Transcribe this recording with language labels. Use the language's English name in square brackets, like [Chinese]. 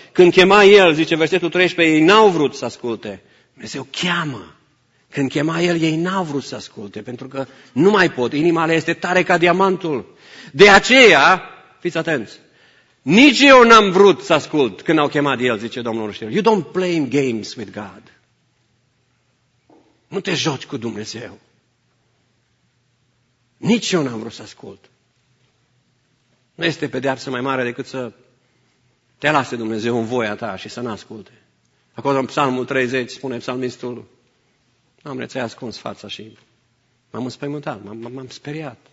[Romanian] Când chema El, zice versetul 13, ei n-au vrut să asculte. Dumnezeu cheamă. Când chema El, ei n-au vrut să asculte, pentru că nu mai pot. Inima lui este tare ca diamantul. De aceea, fiți atenți, nici eu n-am vrut să ascult când au chemat El, zice Domnul Știr. [English] You don't play games with God. [Romanian] Nu te joci cu Dumnezeu. Nici eu n-am vrut să ascult. Nu este pedeapsă mai mare decât să te lase Dumnezeu în voia ta și să n-asculte. Acolo în Psalmul 30 spune psalmistul, am rețea ascuns fața și m-am înspăimântat, m-am speriat.